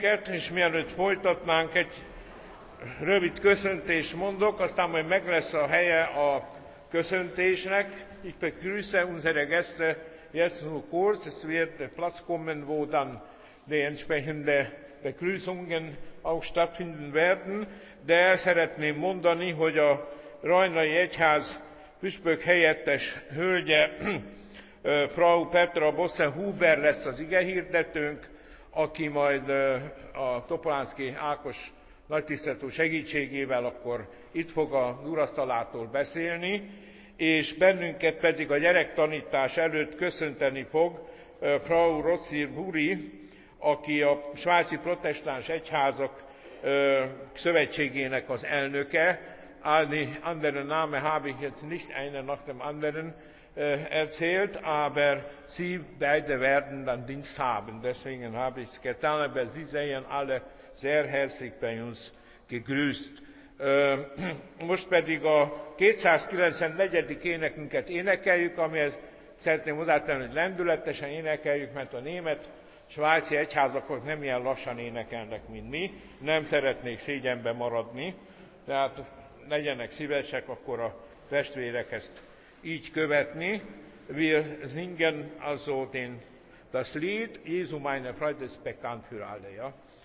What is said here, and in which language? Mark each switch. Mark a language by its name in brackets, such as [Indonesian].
[Hungarian] És mielőtt folytatnánk, egy rövid köszöntés mondok, aztán majd meg lesz a helye a köszöntésnek. [German] Ich begrüße unsere Gäste jetzt nur kurz. Es wird Platz kommen, wo dann die entsprechende Begrüßungen auch stattfinden werden. [Hungarian] De szeretném mondani, hogy a Rajnai Egyház püspök helyettes hölgye, Frau Petra Bosse-Huber lesz az ige hirdetőnk, aki majd a Topolánszky Ákos nagytiszteletú segítségével akkor itt fog az urasztalától beszélni, és bennünket pedig a gyerektanítás előtt köszönteni fog Frau Rossi Buri, aki a Svájci Protestáns Egyházak Szövetségének az elnöke. [German] Alle anderen Namen habe ich jetzt nicht einer nach dem anderen erzählt, aber sie beide werden dann Dienst haben. Deswegen habe ich es getan, aber sie seien alle sehr herzlich bei uns gegrüßt. [Hungarian] Most pedig a 294. énekünket énekeljük, amihez szeretném hozzátenni, hogy lendületesen énekeljük, mert a német svájci egyházakok nem ilyen lassan énekelnek, mint mi. Nem szeretnék szégyenbe maradni. Tehát legyenek szívesek akkor a testvérek ezt így követni. [German] Wir singen also den, das Lied Jesu meine Freude ist bekannt für alle, ja?